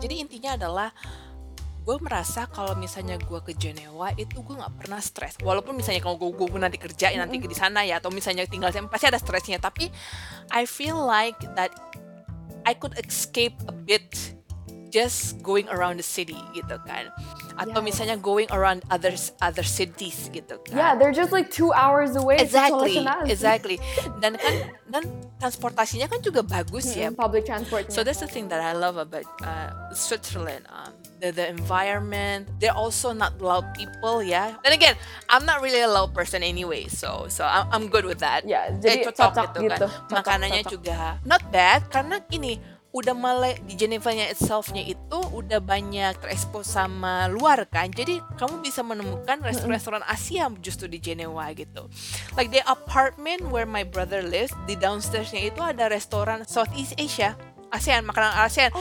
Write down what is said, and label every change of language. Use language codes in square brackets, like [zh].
[id] Jadi intinya adalah, gue merasa kalau misalnya gue ke Geneva itu gue nggak pernah stres. Walaupun misalnya kalau gue nanti kerja nanti di sana ya, atau misalnya tinggal sana pasti ada stresnya. Tapi [en] I feel like that I could escape a bit just going around the city, [id] gitu kan. Atau misalnya [en] going around other cities [id] gitu kan. [en] Yeah, they're just like 2 hours away. Exactly. [id] Dan transportasinya kan juga bagus ya. [en] Public transport. So that's the thing that I love about Switzerland. The environment. They're also not loud people, yeah. Then again, I'm not really a loud person anyway. So I'm good with that. [id] Yeah, jadi cocok gitu kan. Makanannya juga [en] not bad. [id] Karena ini udah mulai di Geneva-nya itself-nya itu udah banyak terekspos sama luar kan. Jadi kamu bisa menemukan restoran-restoran Asia justru di Geneva gitu. [en] Like the apartment where my brother lives, [id] di downstairs-nya itu ada restoran Southeast Asia, ASEAN, makanan ASEAN.